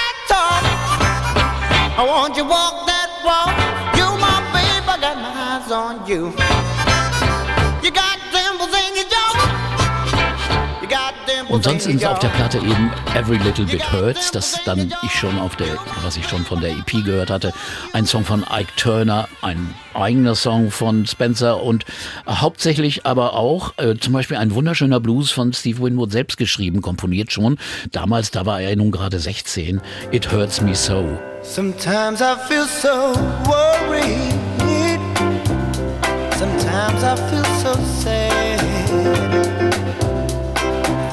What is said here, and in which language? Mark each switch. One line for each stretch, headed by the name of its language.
English: I want you walk that walk. You my babe, I got my eyes on you. You got dimples in your jaw. You got dimples.
German: Und sonst ist auf der Platte eben Every Little Bit Hurts, das dann ich schon auf der, was ich schon von der EP gehört hatte, ein Song von Ike Turner, ein eigener Song von Spencer und hauptsächlich aber auch zum Beispiel ein wunderschöner Blues von Steve Winwood selbst geschrieben, komponiert schon. Damals, da war er nun gerade 16. It Hurts Me So. Sometimes I feel so worried. Sometimes I feel so sad.